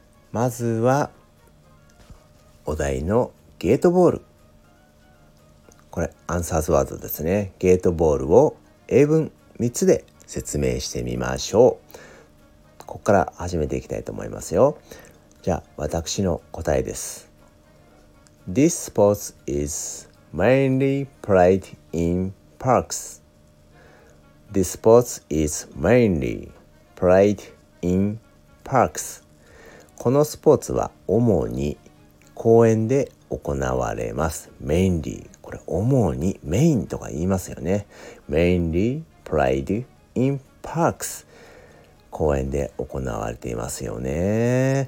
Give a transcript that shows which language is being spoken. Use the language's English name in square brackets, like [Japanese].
[Japanese] まずはお題のゲートボール、これアンサーズワードですね。ゲートボールを英文3つで説明してみましょう。ここから始めていきたいと思いますよ。じゃあ私の答えです。 [English] This sport is mainly played in parks. This sport is mainly played in parks. [Japanese] このスポーツは主に公園で行われます。 mainly、 これ主にメインとか言いますよね。 [English] mainly played in parks、 [Japanese] 公園で行われていますよね。